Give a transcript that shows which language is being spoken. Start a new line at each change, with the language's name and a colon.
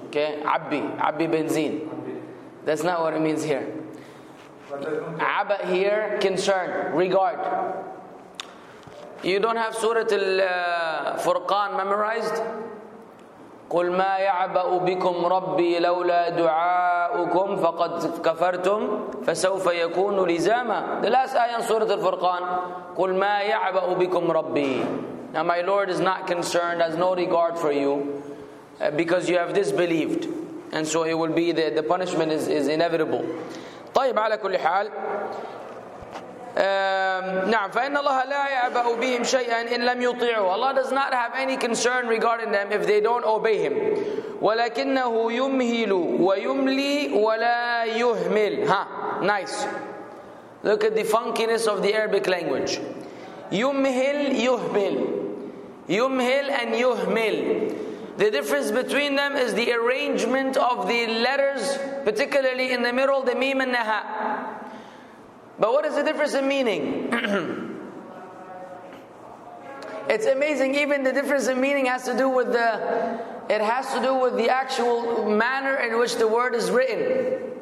Arabic: Okay, عبي بنزين.
English: That's not what it means here. عبأ here, concern, regard. You don't have Surah Al-Furqan memorized?
Arabic: قل ما يعبأ بكم ربي لولا دعاؤكم فقد كفرتم فسوف يكون لزاما.
English: The last ayah in Surah Al-Furqan.
Arabic: قل ما يعبأ بكم ربي.
English: Now my Lord is not concerned, has no regard for you, because you have disbelieved, and so it will be the punishment is inevitable.
Arabic: طيب على كل حال. نعم فإن الله لا يعبأ بهم شيئا إن لم يطيعوا.
English: Allah does not have any concern regarding them if they don't obey him.
Arabic: ولكنه يمهل ويملي ولا يهمل.
English: Huh, nice. Look at the funkiness of the Arabic language.
Arabic: يمهل يهمل. يمهل and يهمل.
English: The difference between them is the arrangement of the letters, particularly in the middle, the ميم and the ها. But what is the difference in meaning? It's amazing. Even the difference in meaning has to do with the, it has to do with the actual manner in which the word is written.